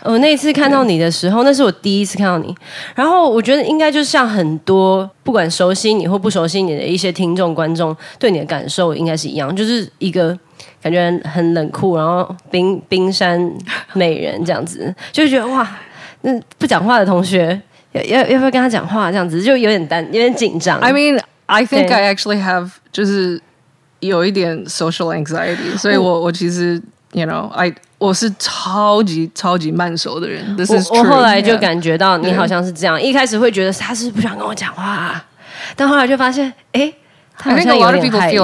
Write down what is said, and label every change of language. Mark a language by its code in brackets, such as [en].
[zh] 我那次看到你的时候，那是我第一次看到你。然后我觉得应该就像很多不管熟悉你或不熟悉你的一些听众观众对你的感受应该是一样，就是一个感觉很冷酷，然后冰山美人这样子，就觉得哇，那不讲话的同学要不要跟他讲话，这样子就有点紧张。 [en] I mean, I think I actually have [zh] 就是有一点 [en] social anxiety, [zh] 所以我其实 [en] you know I。 [zh] 我是超级超级慢熟的人 [en] This is true, [zh] 我后来就感觉到你好像是这样，一开始会觉得他是不想跟我讲话，但后来就发现他好像有点害羞。